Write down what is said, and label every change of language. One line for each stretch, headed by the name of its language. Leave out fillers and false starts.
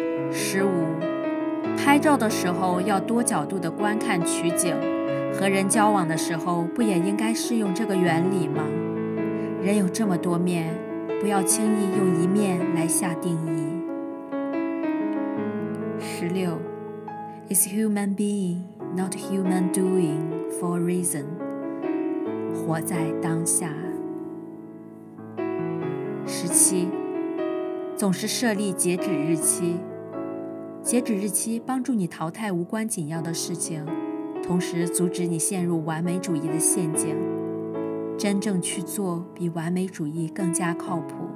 Chinese: 十五，拍照的时候要多角度的观看取景，和人交往的时候不也应该适用这个原理吗？人有这么多面，不要轻易用一面来下定义。
English: 十六， It's human being, not human doing, for a reason.
Chinese: 活在当下。十七，总是设立截止日期，截止日期帮助你淘汰无关紧要的事情，同时阻止你陷入完美主义的陷阱。真正去做比完美主义更加靠谱。